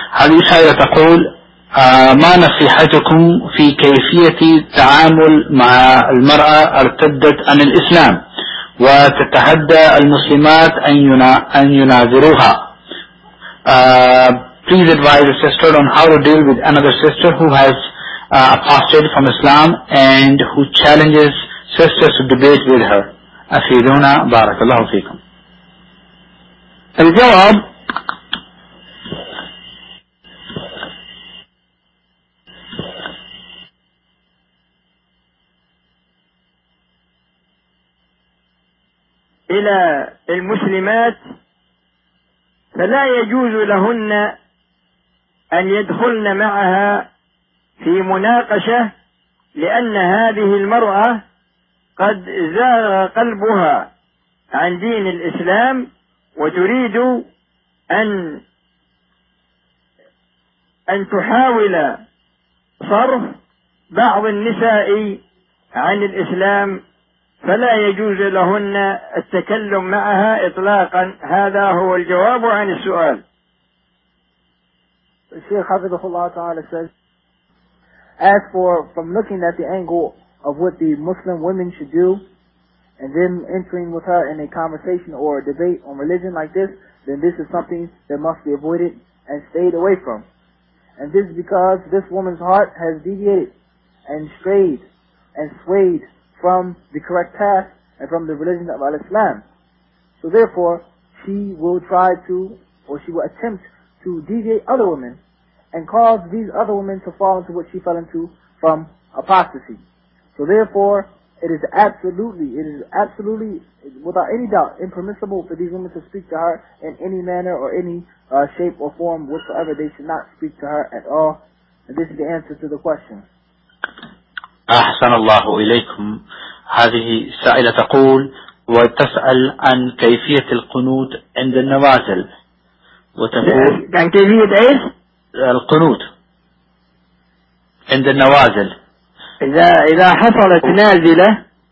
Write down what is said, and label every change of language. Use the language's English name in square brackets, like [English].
[Arabic] هذه السائلة تقول ما نصيحتكم في كيفية التعامل مع المرأة ارتدت عن الإسلام وتتحدى المسلمات أن يناظروها. [English] Please advise a sister on how to deal with another sister who has apostated from Islam and who challenges sisters to debate with her. [Arabic] أفيدونا بارك الله فيكم. الجواب إلى المسلمات فلا يجوز لهن أن يدخلن معها في مناقشة، لأن هذه المرأة قد زاغ قلبها عن دين الإسلام وتريد أن تحاول صرف بعض النساء عن الإسلام، فلا يجوز لهن التكلم معها إطلاقا. هذا هو الجواب عن السؤال. الشيخ حفظه الله تعالى [English] says, as for from looking at the angle of what the Muslim women should do and then entering with her in a conversation or a debate on religion like this, then this is something that must be avoided and stayed away from. And this is because this woman's heart has deviated and strayed and swayed from the correct path and from the religion of Al-Islam. So therefore, she will try to, or she will attempt to deviate other women and cause these other women to fall into what she fell into from apostasy. So therefore, It is absolutely, without any doubt, impermissible for these women to speak to her in any manner or any shape or form whatsoever. They should not speak to her at all. And this is the answer to the question. [Arabic] أحسن الله إليكم. هذه سائلة تقول وتسأل عن كيفية القنوت عند النوازل وتقول عن كيفية إيش؟ القنوت عند النوازل. إذا حصلت نازلة